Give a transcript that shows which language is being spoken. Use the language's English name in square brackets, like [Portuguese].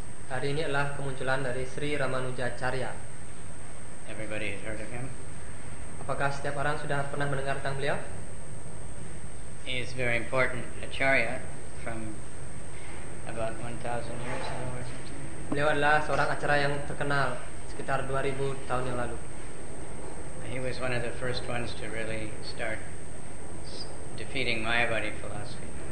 [Indonesian] Hari ini adalah kemunculan dari Sri Ramanujacharya. [English] Everybody has heard of him. [Indonesian] Apakah setiap orang sudah pernah mendengar tentang beliau? [English] He is very important acharya from about 1000 years ago or something. [Indonesian] Beliau adalah seorang acharya yang terkenal sekitar 2000 tahun yang lalu. [English] He was one of the first ones to really start defeating Mayavadi philosophy.